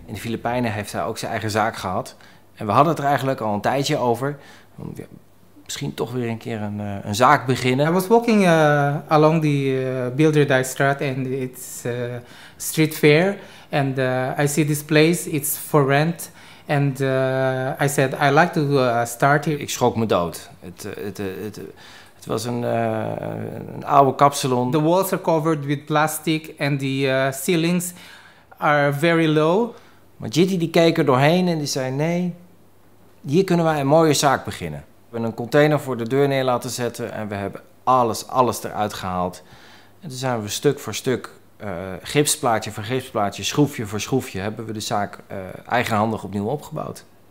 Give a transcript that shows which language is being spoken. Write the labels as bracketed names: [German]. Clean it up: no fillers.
[Dutch] In de Filipijnen heeft hij ook zijn eigen zaak gehad. En we hadden het er eigenlijk al een tijdje over. Misschien toch weer een keer een zaak beginnen. [English] I was walking along the Bilderdijkstraat and it's street fair. And I see this place, it's for rent. And I said, I like to start here. [Dutch] Ik schrok me dood. Het was een oude kapsalon. [English] The walls are covered with plastic and the ceilings are very low. [Dutch] Maar Jitty die keek er doorheen en die zei, nee, hier kunnen wij een mooie zaak beginnen. We hebben een container voor de deur neer laten zetten en we hebben alles eruit gehaald. En toen zijn we stuk voor stuk, gipsplaatje voor gipsplaatje, schroefje voor schroefje, hebben we de zaak eigenhandig opnieuw opgebouwd.